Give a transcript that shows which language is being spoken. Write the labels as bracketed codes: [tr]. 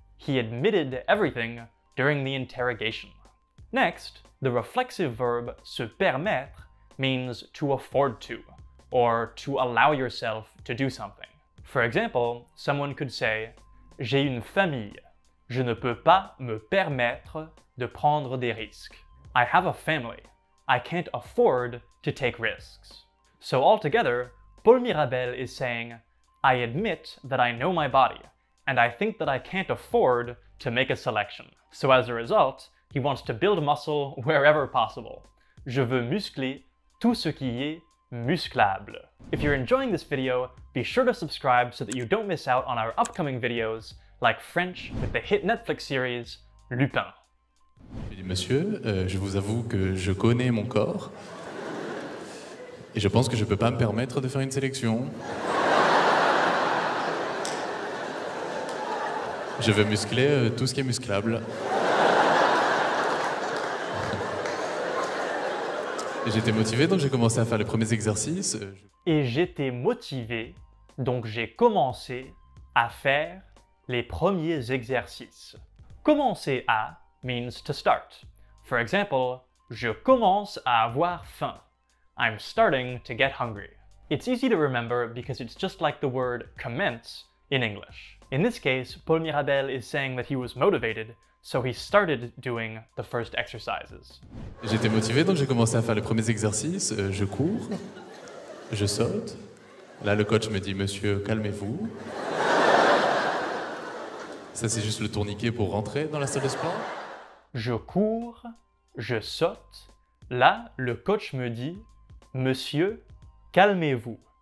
[en] He admitted everything during the interrogation. Next, the reflexive verb se permettre means to afford to, or to allow yourself to do something. For example, someone could say, [fr] j'ai une famille. Je ne peux pas me permettre de prendre des risques. [en] I have a family. I can't afford to take risks. So altogether, Paul Mirabel is saying, I admit that I know my body, and I think that I can't afford to make a selection. So as a result, he wants to build muscle wherever possible. [fr] Je veux muscler tout ce qui est musclable. [en] If you're enjoying this video, be sure to subscribe so that you don't miss out on our upcoming videos, like French with the hit Netflix series, Lupin. [fr] Monsieur, je vous avoue que je connais mon corps. Et je pense que je peux pas me permettre de faire une sélection. Je veux muscler tout ce qui est musclable. Et j'étais motivé, donc j'ai commencé à faire les premiers exercices. Et j'étais motivé, donc j'ai commencé à faire les premiers exercices. [en] Commencer à means to start. For example, [fr] je commence à avoir faim. [en] I'm starting to get hungry. It's easy to remember because it's just like the word commence in English. In this case, Paul Mirabel is saying that he was motivated, so he started doing the first exercises. [fr] J'étais motivé, donc j'ai commencé à faire les premiers exercices. Je cours, je saute. Là, le coach me dit, monsieur, calmez-vous. Ça, c'est juste le tourniquet pour rentrer dans la salle de sport. Je cours, je saute. Là, le coach me dit, monsieur, calmez-vous.